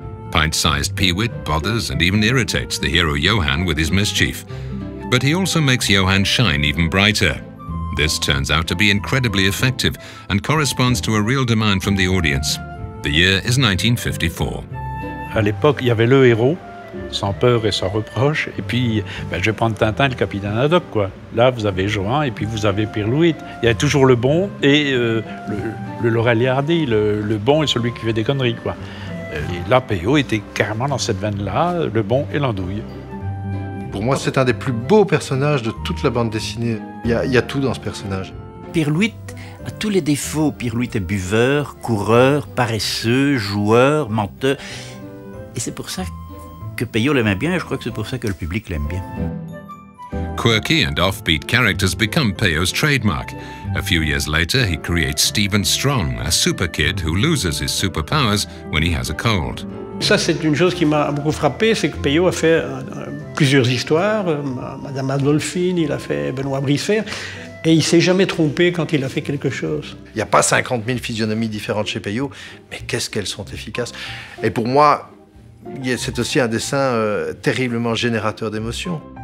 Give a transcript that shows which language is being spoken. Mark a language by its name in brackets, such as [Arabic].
[English] Pint-sized Peewit bothers and even irritates the hero Johan with his mischief. But he also makes Johan shine even brighter. This turns out to be incredibly effective and corresponds to a real demand from the audience. The year is 1954. [French] À l'époque, il y avait le héros, sans peur et sans reproche, et puis, ben, je vais prendre Tintin, le capitaine Haddock, quoi. Là, vous avez Johan, et puis vous avez Pirluit. Il y a toujours le bon et le Laurel et Hardy, le bon et celui qui fait des conneries, quoi. Et là, Peyo était carrément dans cette veine-là, le bon et l'andouille. Pour moi, c'est un des plus beaux personnages de toute la bande dessinée. Il y a tout dans ce personnage. Pirluit a tous les défauts. Pirluit est buveur, coureur, paresseux, joueur, menteur. Et c'est pour ça que Peyo l'aimait bien, et je crois que c'est pour ça que le public l'aime bien. [English] Quirky and offbeat characters become Peyo's trademark. A few years later, he creates Stephen Strong, a super kid who loses his superpowers when he has a cold. [French] Ça, c'est une chose qui m'a beaucoup frappé, c'est que Peyo a fait plusieurs histoires. Madame Adolphine, il a fait Benoît Brisfer. Et il ne s'est jamais trompé quand il a fait quelque chose. Il n'y a pas 50 000 physionomies différentes chez Peyo, mais qu'est-ce qu'elles sont efficaces. Et pour moi, c'est aussi un dessin terriblement générateur d'émotions.